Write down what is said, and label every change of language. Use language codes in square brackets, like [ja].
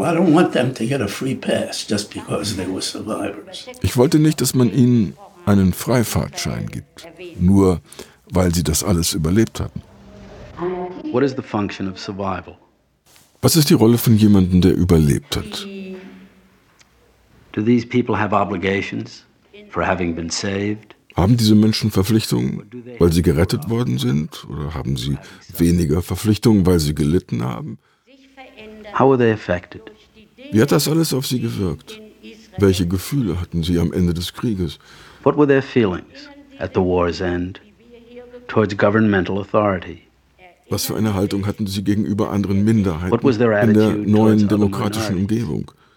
[en] I don't want them to get a free pass just because they were survivors. [de] Ich wollte nicht, dass man ihnen einen Freifahrtschein gibt, nur weil sie das alles überlebt hatten. [en] What is the function of survival? [de] Was ist die Rolle von jemandem, der überlebt hat? [en] Do these people have obligations for having been saved? [de] Haben diese Menschen Verpflichtungen, weil sie gerettet worden sind? Oder haben sie weniger Verpflichtungen, weil sie gelitten haben? [en] How were they affected? [de] Wie hat das alles auf sie gewirkt? Welche Gefühle hatten sie am Ende des Krieges? [en] What were their feelings at the war's end towards governmental authority? [de] Was für eine Haltung hatten sie gegenüber anderen Minderheiten in der neuen demokratischen Umgebung?